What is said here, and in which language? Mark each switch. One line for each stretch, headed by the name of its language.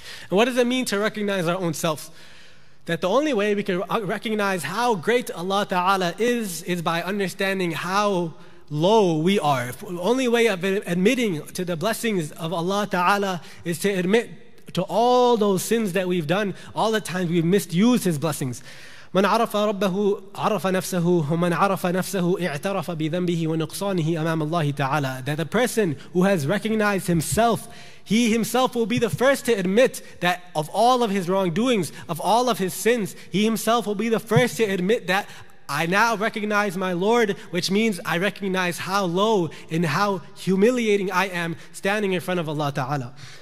English: And what does it mean to recognize our own selves? That the only way we can recognize how great Allah Ta'ala is by understanding how low we are. The only way of admitting to the blessings of Allah Ta'ala is to admit to all those sins that we've done, all the times we've misused his blessings.
Arabic: من عرف ربه عرف نفسه ومن عرف نفسه اعترف بذنبه ونقصانه أمام الله تعالى.
English: That the person who has recognized himself, he himself will be the first to admit that of all of his wrongdoings, of all of his sins, he himself will be the first to admit that I now recognize my Lord, which means I recognize how low and how humiliating I am standing in front of Allah Ta'ala.